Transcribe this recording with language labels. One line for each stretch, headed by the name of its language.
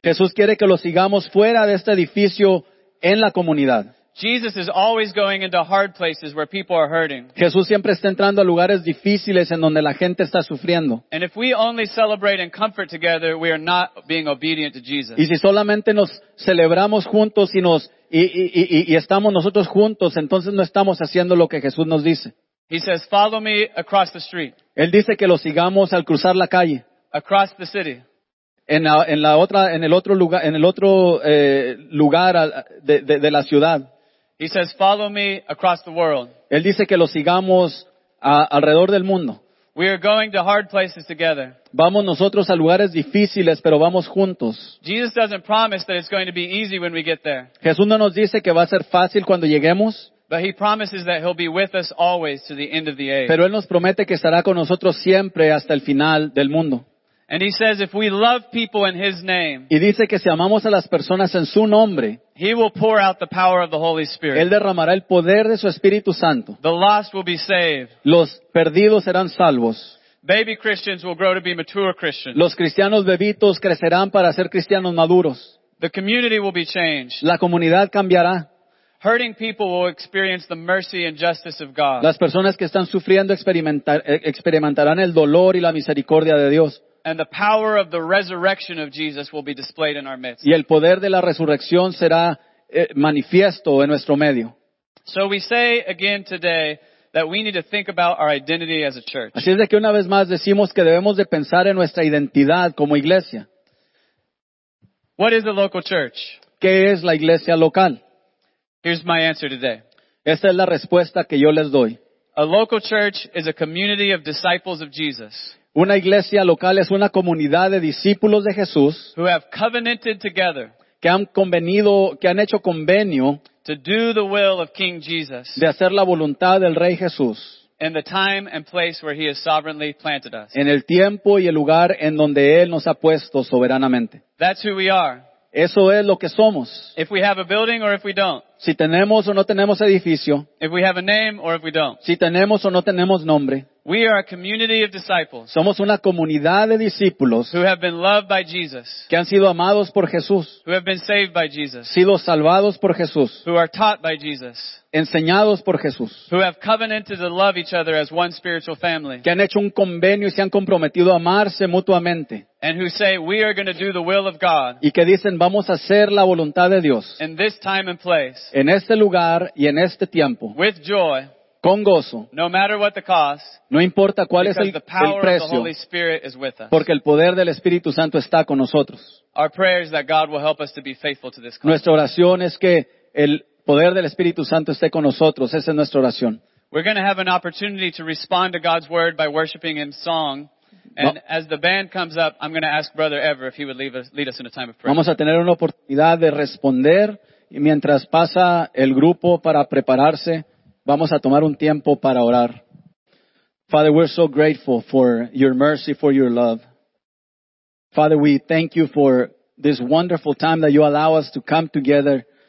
Spanish: Jesús quiere que lo sigamos fuera de este edificio en la comunidad.
English: Jesus is always going into hard places where people are hurting.
Spanish: Jesús siempre está entrando a lugares difíciles en donde la gente está sufriendo.
English: And if we only celebrate and comfort together, we are not being obedient to Jesus.
Spanish: Y si solamente nos celebramos juntos y nos y estamos nosotros juntos, entonces no estamos haciendo lo que Jesús nos dice.
English: He says, "Follow me across the street."
Spanish: Él dice que lo sigamos al cruzar la calle.
English: Across the city.
Spanish: En el otro lugar de la ciudad.
English: He says, "Follow me across the world."
Spanish: Él dice que lo sigamos alrededor del mundo.
English: We are going to hard places together.
Spanish: Vamos nosotros a lugares difíciles, pero vamos juntos.
English: Jesus doesn't promise that it's going to be easy when we get there.
Spanish: Jesús no nos dice que va a ser fácil cuando lleguemos.
English: But he promises that he'll be with us always to the end of the age.
Spanish: Pero él nos promete que estará con nosotros siempre hasta el final del mundo.
English: And he says, if we love people in his name,
Spanish: y dice que si amamos a las personas en su nombre,
English: he will pour out the power of the Holy Spirit.
Spanish: Él derramará el poder de su Espíritu Santo.
English: The lost will be saved.
Spanish: Los perdidos serán salvos.
English: Baby Christians will grow to be mature Christians.
Spanish: Los cristianos bebitos crecerán para ser cristianos maduros.
English: The community will be changed.
Spanish: La comunidad cambiará.
English: Hurting people will experience the mercy and justice of God.
Spanish: Las personas que están sufriendo experimentarán el dolor y la misericordia de Dios.
English: And the power of the resurrection of Jesus will be displayed in our midst.
Spanish: Y el poder de la resurrección será manifiesto en nuestro medio.
English: So we say again today that we need to think about our identity as a church.
Spanish: Así es de que una vez más decimos que debemos de pensar en nuestra identidad como iglesia.
English: What is the local church?
Spanish: ¿Qué es la iglesia local?
English: Here's my answer today.
Spanish: Esta es la respuesta que yo les doy.
English: A local church is a community of disciples of Jesus.
Spanish: Una iglesia local es una comunidad de discípulos de Jesús
English: who have covenanted together
Spanish: que han hecho convenio
English: to do the will of King Jesus
Spanish: de hacer la voluntad del Rey Jesús
English: in the time and place where he has sovereignly planted us.
Spanish: En el tiempo y el lugar en donde Él nos ha puesto soberanamente.
English: That's who we are.
Spanish: Eso es lo que somos.
English: If we have a building or if we don't.
Spanish: Si tenemos o no tenemos edificio.
English: If we have a name or if we don't.
Spanish: Si tenemos o no tenemos nombre.
English: We are a community of disciples.
Spanish: Somos una comunidad de discípulos.
English: Who have been loved by Jesus.
Spanish: Que han sido amados por Jesús.
English: Who have been saved by Jesus.
Spanish: Sido salvados por Jesús.
English: Who are taught by Jesus.
Spanish: Enseñados por Jesús.
English: Who have covenanted to love each other as one spiritual family.
Spanish: Que han hecho un convenio y se han comprometido a amarse mutuamente.
English: And who say, we are going to do the will of God.
Spanish: Y que dicen, vamos a hacer la voluntad de Dios.
English: In this time and place.
Spanish: En este lugar y en este tiempo.
English: With joy.
Spanish: Con gozo.
English: No matter what the cost.
Spanish: No importa cuál es el precio.
English: The Holy Spirit is with us.
Spanish: Porque el poder del Espíritu Santo está con nosotros.
English: Our prayer is that God will help us to be faithful to this.
Spanish: Nuestra oración es que el poder del Espíritu Santo esté con nosotros. Esa es nuestra oración.
English: We're going to have an opportunity to respond to God's word by worshiping in song. And as the band comes up, I'm going to ask Brother Ever if he would lead us in a time of prayer.
Spanish: Vamos a tener una oportunidad de responder y mientras pasa el grupo para prepararse, vamos a tomar un tiempo para orar.
English: Father, we're so grateful for your mercy, for your love. Father, we thank you for this wonderful time that you allow us to come together.